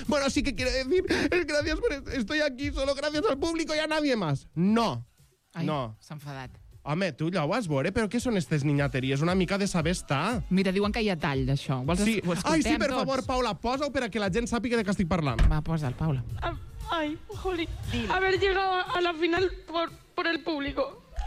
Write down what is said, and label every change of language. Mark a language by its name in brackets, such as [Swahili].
[Spanish] Bueno, sí que quiero decir, gracias por esto, estoy aquí solo gracias al público y a nadie más. No. [Catalan] Ai, no. S'ha enfadat. Home, tu ja ho vas veure, però què són aquestes niñateries? Una mica de saber estar. Mira, diuen que hi ha tall d'això. Sí. Ai, sí, per favor, Paula, posa-ho per a que la gent sàpiga de què estic parlant. Va, posa'l, Paula. [Spanish] Ai, jolín. Dile. Haber llegado a la final por el público.